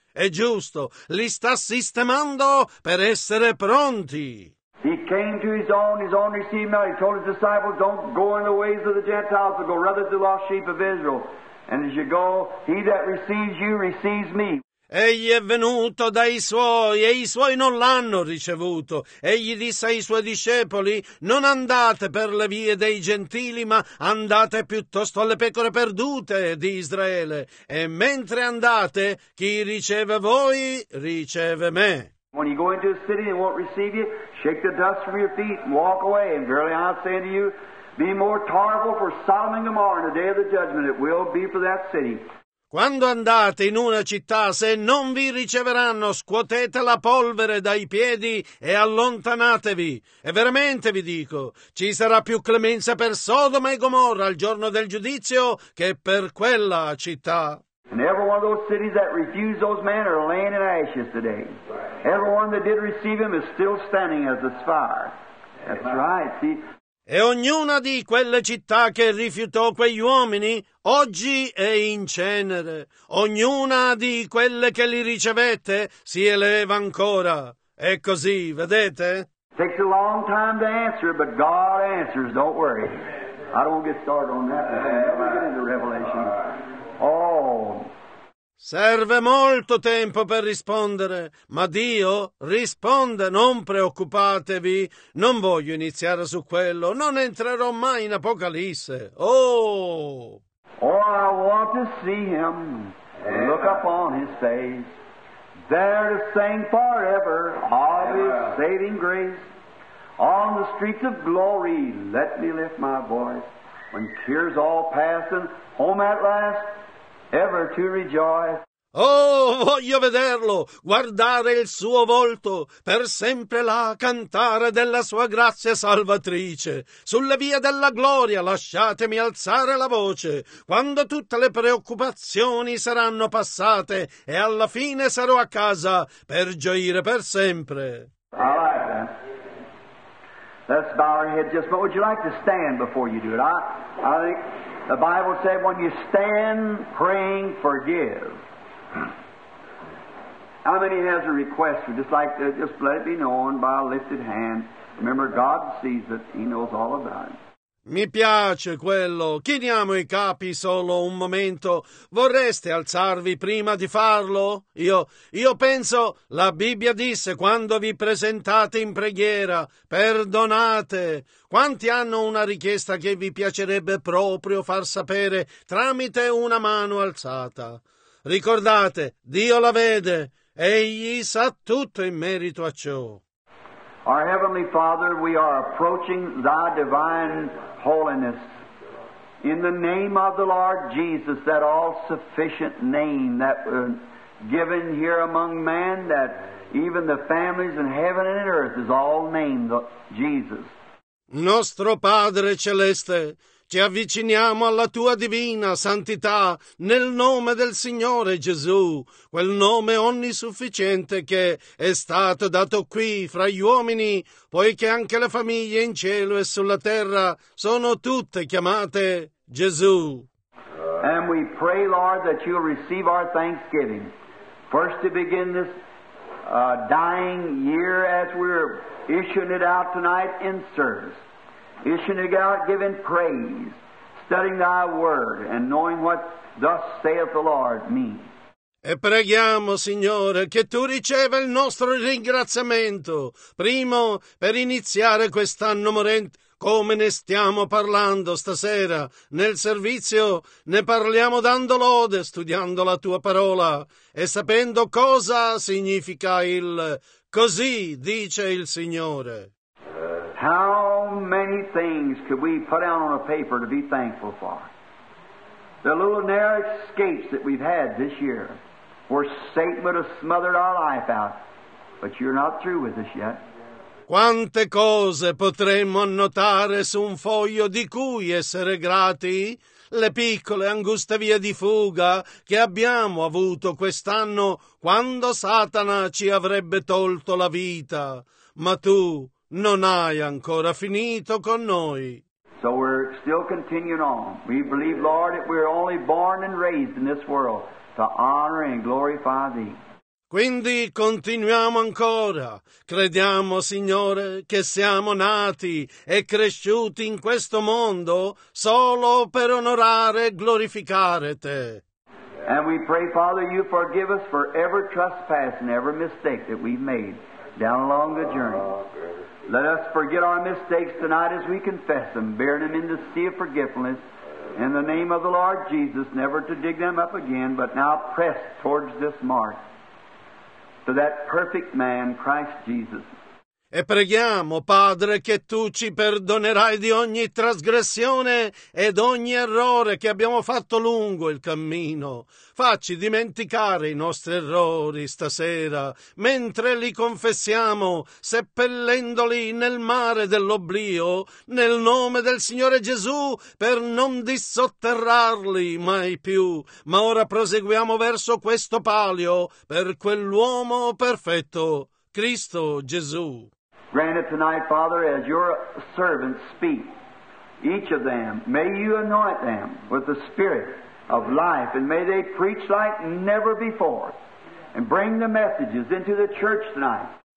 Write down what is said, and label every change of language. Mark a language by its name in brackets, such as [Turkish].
[Italian] È giusto, li sta sistemando per essere pronti. [English] He came to his own received him out. He told his disciples, don't go in the ways of the Gentiles, but go rather to the lost sheep of Israel. And as you go, he that receives you receives me. [Italian] Egli è venuto dai suoi e i suoi non l'hanno ricevuto. Egli disse ai suoi discepoli, non andate per le vie dei gentili, ma andate piuttosto alle pecore perdute di Israele. E mentre andate, chi riceve voi, riceve me. [English] When you go into a city and won't receive you, shake the dust from your feet and walk away. And verily I say unto you, be more tolerable for Sodom and Gomorrah in the day of the judgment it will be for that city. [Italian] Quando andate in una città, se non vi riceveranno, scuotete la polvere dai piedi e allontanatevi. E veramente vi dico, ci sarà più clemenza per Sodoma e Gomorra al giorno del giudizio che per quella città. [English] And every one of those cities that refused those men are laying in ashes today. Every one that did receive him is still standing as a fire. That's right, see? [Italian] E ognuna di quelle città che rifiutò quegli uomini oggi è in cenere. Ognuna di quelle che li ricevette si eleva ancora. È così, vedete? [English] It takes a long time to answer, but God answers, don't worry. I don't get started on that. I never get into Revelation. Oh. [Italian] Serve molto tempo per rispondere, ma Dio risponde, non preoccupatevi, non voglio iniziare su quello, non entrerò mai in Apocalisse. Oh! [English] I want to see him, look upon his face, there to sing forever of his saving grace. On the streets of glory, let me lift my voice, when tears all pass and home at last, ever to rejoice. [Italian] Oh, voglio vederlo, guardare il suo volto, per sempre là cantare della sua grazia salvatrice. Sulle vie della gloria lasciatemi alzare la voce, quando tutte le preoccupazioni saranno passate e alla fine sarò a casa per gioire per sempre. [English] All right, then. Let's bow our head just, but would you like to stand before you do it? I think the Bible said when you stand praying, forgive. How many has a request? Would just like to just let it be known by a lifted hand. Remember, God sees it. He knows all about it. [Italian] Mi piace quello. Chiniamo i capi solo un momento. Vorreste alzarvi prima di farlo? Io penso, la Bibbia disse, quando vi presentate in preghiera, perdonate. Quanti hanno una richiesta che vi piacerebbe proprio far sapere tramite una mano alzata? Ricordate, Dio la vede, egli sa tutto in merito a ciò. [English] Our Heavenly Father, we are approaching Thy divine holiness. In the name of the Lord Jesus, that all-sufficient name that was given here among man, that even the families in heaven and in earth is all named Jesus. [Italian] Nostro Padre Celeste, ci avviciniamo alla Tua divina santità nel nome del Signore Gesù, quel nome onnisufficiente che è stato dato qui fra gli uomini, poiché anche le famiglie in cielo e sulla terra sono tutte chiamate Gesù. [English] And we pray, Lord, that You'll receive our thanksgiving. First to begin this dying year as we're issuing it out tonight in service. Issuing out, giving praise, studying Thy word, and knowing what thus saith the Lord means. [Italian] E preghiamo, Signore, che Tu riceva il nostro ringraziamento, primo per iniziare quest'anno morente, come ne stiamo parlando stasera nel servizio, ne parliamo dando lode, studiando la Tua parola, e sapendo cosa significa il così dice il Signore. [English] How many things could we put out on a paper to be thankful for? The little narrow escapes that we've had this year, where Satan would have smothered our life out, but You're not through with us yet. [Italian] Quante cose potremmo annotare su un foglio di cui essere grati? Le piccole anguste vie di fuga che abbiamo avuto quest'anno quando Satana ci avrebbe tolto la vita. Ma Tu non hai ancora finito con noi. [English] So we're still continuing on. We believe, Lord, that we're only born and raised in this world to honor and glorify Thee. [Italian] Quindi continuiamo ancora. Crediamo, Signore, che siamo nati e cresciuti in questo mondo solo per onorare e glorificare Te. [English] And we pray, Father, You forgive us for every trespass and every mistake that we've made down along the journey. Let us forget our mistakes tonight as we confess them, bearing them in the sea of forgiveness, in the name of the Lord Jesus, never to dig them up again, but now press towards this mark, to that perfect man, Christ Jesus. [Italian] E preghiamo, Padre, che Tu ci perdonerai di ogni trasgressione ed ogni errore che abbiamo fatto lungo il cammino. Facci dimenticare i nostri errori stasera, mentre li confessiamo, seppellendoli nel mare dell'oblio, nel nome del Signore Gesù, per non dissotterrarli mai più. Ma ora proseguiamo verso questo palio per quell'uomo perfetto, Cristo Gesù. [English] Grant it tonight, Father, as Your servants speak, each of them, may You anoint them with the Spirit of life, and may they preach like never before, and bring the messages into the church tonight.